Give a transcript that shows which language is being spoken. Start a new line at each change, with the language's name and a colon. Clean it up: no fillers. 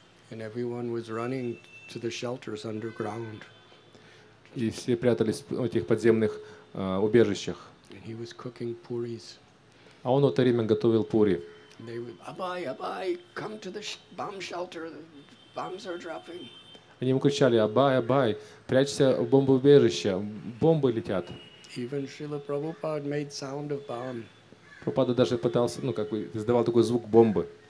English: And everyone was running to the shelters underground.
Russian: И все прятались в этих подземных убежищах.
English: And he was cooking puris.
Russian: А он в это время готовил пури.
English: They would, Abai, Abai, come to the bomb shelter. Bombs are dropping.
Russian: Они ему кричали: Абай, Абай, прячься в бомбоубежище, бомбы летят.
English: Even Srila Prabhupada made sound of bomb.
Russian: Прабхупада даже пытался, ну как бы, издавал такой звук бомбы.